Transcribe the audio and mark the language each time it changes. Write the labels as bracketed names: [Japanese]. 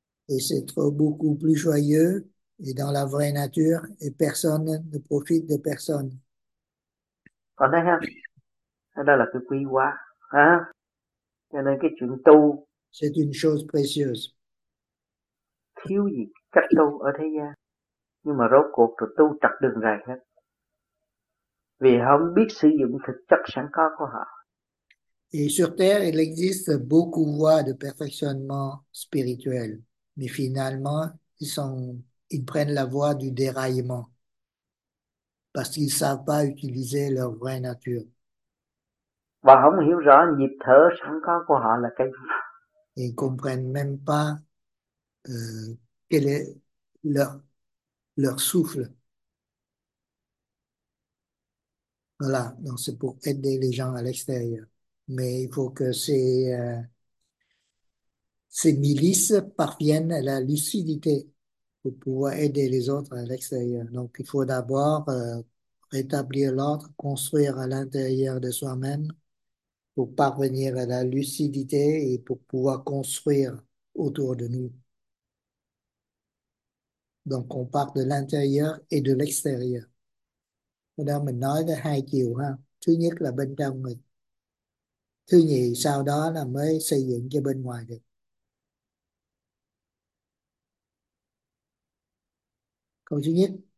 [French] Et c'est trop beaucoup plus joyeux et dans la vraie nature et personne ne profite de personne. [Vietnamese] Còn thấy không? Đó là cái quý quá. Hả? Cho nên cái chuyện tu, [French] c'est une chose précieuse. [Vietnamese] Thiếu gì cách tu ở thế gian, nhưng mà rốt cuộc rồi tu trật đường rày hết, vì không biết sử dụng thực chất sẵn có của họ. [French] Et sur terre, il existe beaucoup voies de perfectionnement spirituel, mais finalement, ils prennent la voie du déraillement, parce qu'ils savent pas utiliser leur vraie nature. [Vietnamese] Và không hiểu rõ nhịp thở sẵn có của họ là cái gì. [French] Ils comprennent même pas quel est leur souffle. Voilà, donc c'est pour aider les gens à l'extérieur. Mais il faut que ces milices parviennent à la lucidité pour pouvoir aider les autres à l'extérieur. Donc il faut d'abord rétablir l'ordre, construire à l'intérieur de soi-même pour parvenir à la lucidité et pour pouvoir construire autour de nous. Donc on part de l'intérieur et de l'extérieur. [Vietnamese] Là mình nói cái hai chiều ha. Thứ nhất là bên trong mình. Thứ nhì sau đó là mới xây dựng cho bên ngoài được. Câu thứ nhất.